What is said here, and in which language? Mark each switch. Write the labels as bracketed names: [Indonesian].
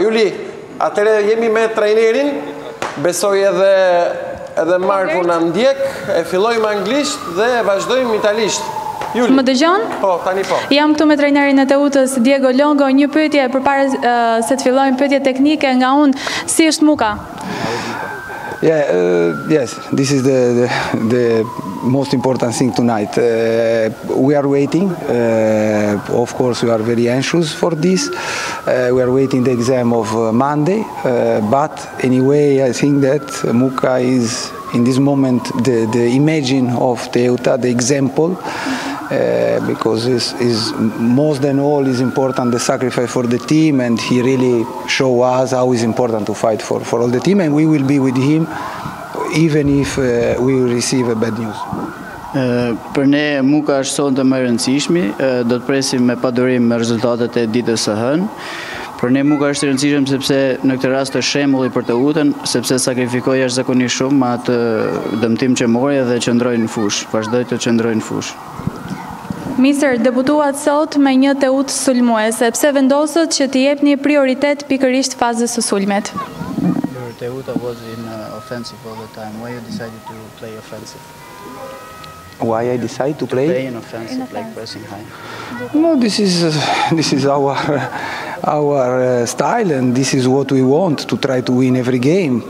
[Albanian] Juli, atëre jemi me trajnerin, besoj edhe Marku në ndjek, e fillojmë anglisht dhe vazhdojmë italisht. Juli. Më dëgjon? Po, tani po. Jam këtu me trajnerin e Teutës, Diego Longo, një pyetje për pare se të fillojmë pyetje teknike nga unë, si është Muka? [English] Yeah, yes, this is the most important thing tonight. We are waiting. Of course, we are very anxious for this. We are waiting the exam of Monday. But anyway, I think that Muka is in this moment the image of Teuta, the example, because this is most than all is important the sacrifice for the team, and he really show us how it's important to fight for all the team, and we will be with him even if we receive a bad news. [Albanian] Për ne Muka është sonte më e rëndësishmi, do të presim me padurim rezultatet e ditës së hënë. Për ne Muka është e rëndësishëm sepse në këtë rast është shembulli për Teutën, sepse sakrifikoi jashtëzakonisht shumë me atë dëmtim që mori dhe qëndroi në fush. Vazhdoi të qëndroi në fush. Mister, debutuat sot me një Teut sulmuese, pse vendoset që t'i jepni prioritet pikërisht fazës së sulmet? [English] Your Teuta was in offensive all the time. Why you decided to play offensive? Why I decide to play? To play in offensive, like pressing high. No, this is our style, and this is what we want, to try to win every game.